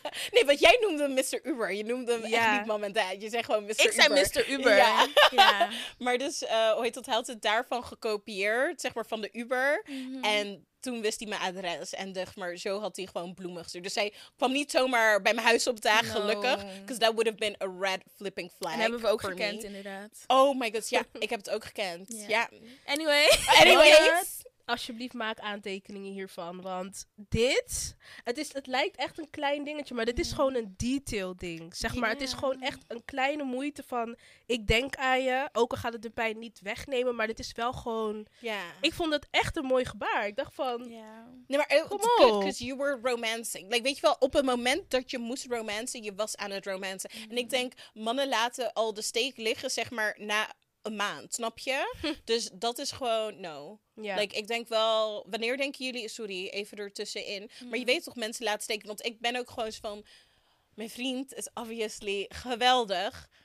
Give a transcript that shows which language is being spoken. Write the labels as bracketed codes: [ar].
[nl] Nee, want jij noemde hem Mr. Uber. Je noemde hem echt niet mom en dad. Je zei gewoon Mr. Ik Uber. Ik zei Mr. Uber. Ja. Maar dus, hij had het daarvan gekopieerd, zeg maar, van de Uber. Mm-hmm. En toen wist hij mijn adres. En dacht, maar zo had hij gewoon bloemen gestuurd. Dus hij kwam niet zomaar bij mijn huis op dagen, gelukkig. [en] Because that would have been a red flipping flag. [nl] En hebben we ook gekend, inderdaad. Oh my god, ja. Ik heb het ook gekend. Ja. [en] Anyway. Anyways. [nl] alsjeblieft maak aantekeningen hiervan. Want dit, het lijkt echt een klein dingetje, maar dit is gewoon een detail ding. Zeg maar, het is gewoon echt een kleine moeite van, ik denk aan je. Ook al gaat het de pijn niet wegnemen, maar dit is wel gewoon... [en] Yeah. [nl] Ik vond het echt een mooi gebaar. Ik dacht van, nee, maar [en] it's good, because you were romancing. [nl] Like, weet je wel, op het moment dat je moest romancen, je was aan het romancen. Mm. En ik denk, mannen laten al de steek liggen, zeg maar, na een maand, snap je? Dus dat is gewoon, no. [en] Yeah. [nl] Like, ik denk wel, wanneer denken jullie, sorry, even ertussenin. Mm. Maar je weet toch, mensen laten steken. Want ik ben ook gewoon van, mijn vriend is obviously geweldig.